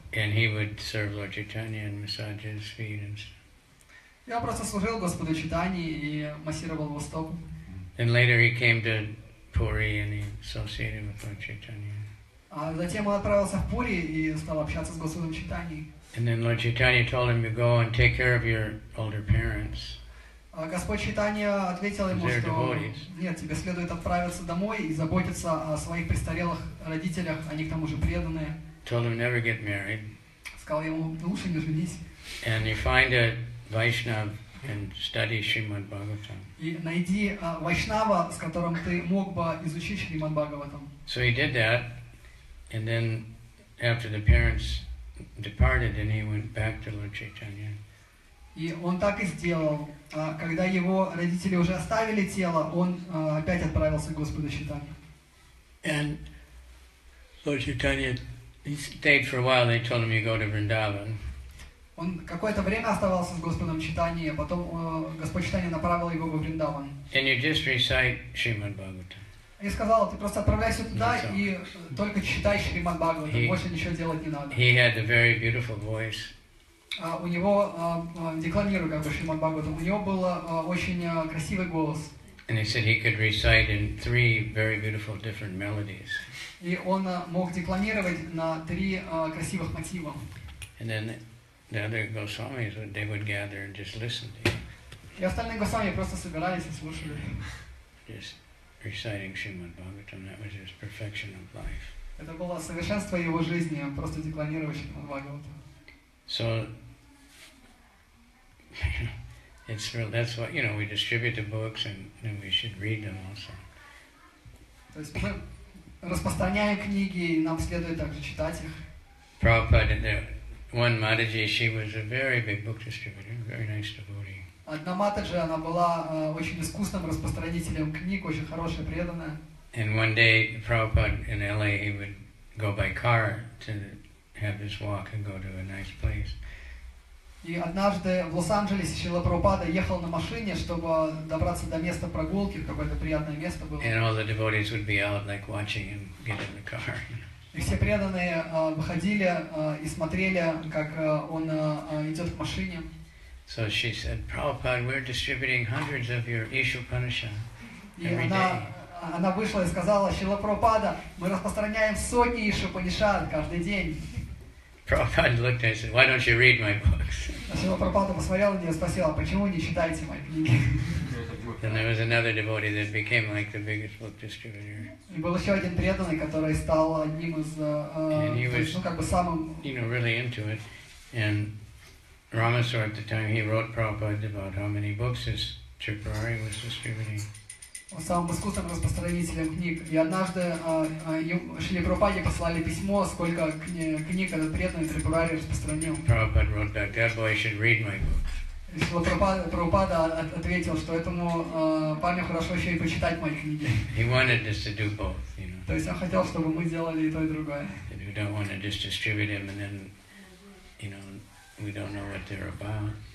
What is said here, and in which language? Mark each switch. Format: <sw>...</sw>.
<en>And he would serve Lord Chaitanya and massage his feet and stuff.</en> <ru>Я просто служил Господу Читании и массировал его стопу.</ru> <en>And later he came to Puri and he associated with Lord Chaitanya.</en> <ru>А затем он отправился в Пури и стал общаться с Господом Читании.</ru> <en>And then Lord Chaitanya told him to go and take care of your older parents.</en> <ru>А Господь Читания ответил ему, что нет, тебе следует отправиться домой и заботиться о своих престарелых родителях, они к тому же преданные.</ru> <en>Told him never get married.</en> <ru>Сказал ему, лучше не женись.</ru> <en>And you find it. Vaishnav and study Shrimad Bhagavatam.</en> <ru>И найди вайшнава, с которым ты мог бы изучить Шримад Бхагаватам.</ru> <en>So he did that, and then after the parents departed, then he went back to Lord Chaitanya.</en> <ru>И он так и сделал. Когда его родители уже оставили тело, он опять отправился к Господу Чайтанье.</ru> <en>And Lord Chaitanya, he stayed for a while. They told him, "You go to Vrindavan."</en> <ru>Он какое-то время оставался с Господом Читания, а потом Господь Читания направил его во Вриндаван.</ru> <en>And you just recite Shrimad Bhagavatam.</en> <ru>И сказал, ты просто отправляйся туда и только читай Шримад Бхагаватам, больше ничего делать не надо.</ru> <en>He had a very beautiful voice.</en> <ru>У него, декламирую как бы Шримад Бхагаватам, у него был очень красивый голос.</ru> <en>And he said he could recite in three very beautiful different melodies.</en> <ru>И он мог декламировать на три красивых мотива.</ru> <en>And then the other Goswamis, they would gather and just listen to him.</en> <ru>И остальные Госвами просто собирались и слушали.</ru> <en>Just reciting Shrimad Bhagavatam, that was his perfection of life.</en> <ru>Это было совершенство его жизни, просто декламировать Шримад Бхагаватам.</ru> <en>So, it's real, that's what, you know, we distribute the books and we should read them also.</en> <ru>То есть мы распространяем книги, и нам следует также читать их.</ru> <en>Prabhupada, One Mataji, she was a very big book distributor, very nice devotee.</en> <ru>Одна матаджа, она была очень искусным распространителем книг, очень хорошая, преданная.</ru> <en>And one day, Prabhupada in LA, he would go by car to have his walk and go to a nice place.</en> <ru>И однажды в Лос-Анджелесе Шрила Прабхупада ехал на машине, чтобы добраться до места прогулки, в какое-то приятное место было.</ru> <en>And all the devotees would be out, like, watching him get in the car.</en> <ru>И все преданные выходили и смотрели, как он идет к машине.</ru> <en>So she said, Prabhupada, we're distributing hundreds of your Ishu Upanishad every day.</en> <ru>Она вышла и сказала, Шрила Прабхупада, мы распространяем сотни Ишу Панишад каждый день.</ru> <en>Prabhupada looked at me and said, why don't you read my books?</en> <ru>Шрила Прабхупада посмотрела на нее и спросила, почему не читаете мои книги?</ru> <en>And there was another devotee that became like the biggest book distributor.</en> <ru>И был еще один преданный, который стал одним из, как бы самым...</ru> <en>You know, really into it. And Ramaswar at the time, he wrote Prabhupada about how many books his Tripurari was distributing.</en> <ru>Он самым искусным распространителем книг. И однажды Шрила Прабхупаде послали письмо, сколько книг этот преданный Трипурари распространил.</ru> <en>Prabhupada wrote back, that boy should read my books.</en> <ru>И Шрила Прабхупада ответил, что этому парню хорошо еще и почитать мои книги.</ru> <en>He wanted us to do both, you know.</en> <ru>То есть он хотел, чтобы мы делали и то, и другое.</ru> <en>And we don't want to just distribute them and then, you know, we don't know what they're about.</en>